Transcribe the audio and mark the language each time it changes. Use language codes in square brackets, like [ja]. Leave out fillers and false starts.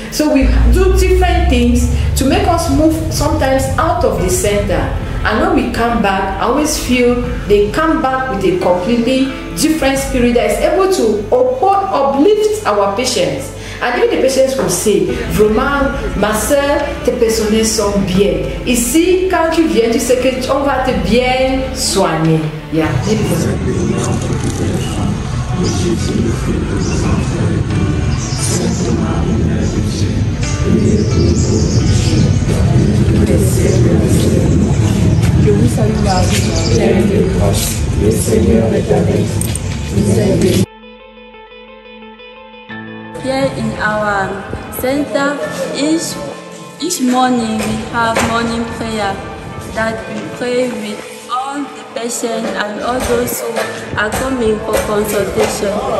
[en] So we do different things to make us move sometimes out of the center. And when we come back, I always feel they come back with a completely different spirit that is able to uplift our patients. And even the patients will say, [fr] vraiment, ma soeur, tes personnes sont bien. Ici, quand tu viens, tu sais que on va te bien soigner. [en] Yeah. [fr] Je vous salue Marie, pleine de grâce, le Seigneur est avec vous. [en] Here in our center, each morning we have morning prayer that we pray with all the patients and all those who are coming for consultation.